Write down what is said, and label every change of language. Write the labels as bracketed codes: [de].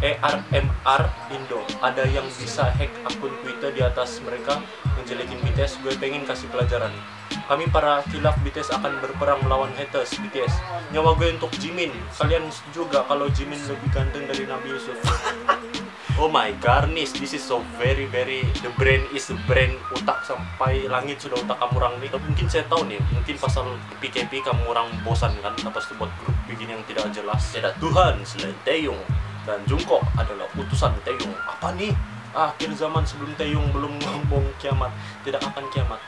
[id] ARMR Indo, ada yang bisa hack akun Twitter di atas mereka menjelekin BTS? Gue pengen kasih pelajaran. Kami para khilaf BTS akan berperang melawan haters BTS. Nyawa gue untuk Jimin. Kalian setuju gak kalau Jimin lebih ganteng dari Nabi Yusuf? [en] Oh my garnish, this is so very very the brain is the brain. [ms] Otak sampai langit sudah otak kamu orang nih. Mungkin saya tahu nih, mungkin pasal PKP kamu orang bosan kan. Lepas itu buat grup bikin yang tidak jelas. [id] Tidak Tuhan selain Taeyong dan Jungkook adalah utusan Taeyong. [ms] Apa nih? [id] Akhir zaman sebelum Taeyong belum ngomong kiamat. Tidak akan kiamat.